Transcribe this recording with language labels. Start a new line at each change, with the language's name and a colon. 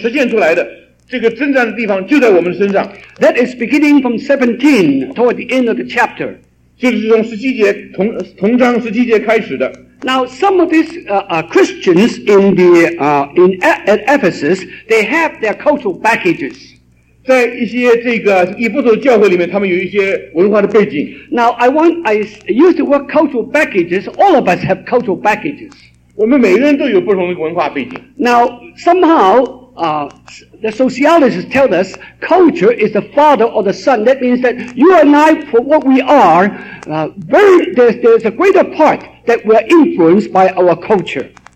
Chinese: 第二个战场,让神的话语能够实践出来的,这个征战的地方就在我们身上。
English: That is beginning from 17, toward the end of the chapter.
Chinese: 就是从十七节,从章十七节开始的。
English: Now, some of these Christians in Ephesus, they have their cultural baggages.
Chinese: 在一些这个以弗所教会里面，他们有一些文化的背景。
English: Now I use the word cultural baggages. All of us have cultural baggages.
Chinese: 我们每个人都有不同的文化背景。
English: Now somehow, the sociologists tell us culture is the father or the son. That means that you and I, for what we are, there's a greater part that we are influenced by our culture.